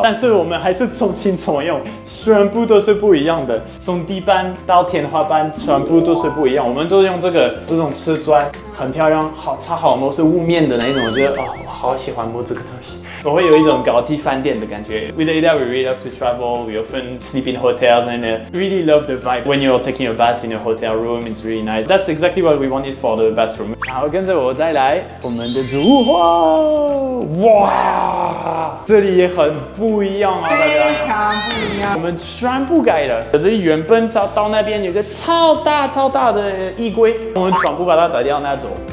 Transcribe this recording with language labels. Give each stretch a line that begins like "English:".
Chinese: 但是我们还是重新重用，全部都是不一样的，从地板到天花板，全部都是不一样。我们都用这种瓷砖，很漂亮，好擦好摸，是雾面的那一种。我觉得我好喜欢摸这个东西，我会有一种高级饭店的感觉。
English: With the idea we really love to travel, we often sleep in hotels and really love the vibe when you're taking a bath in a hotel room. It's really nice. That's exactly what we wanted for the bathroom.
Chinese: 好，跟着我再来，我们的主卧，哇，这里也很不一样啊，非常不一样。我们全部改了，这里原本到那边有个超大超大的衣柜，我们全部把它打掉那种。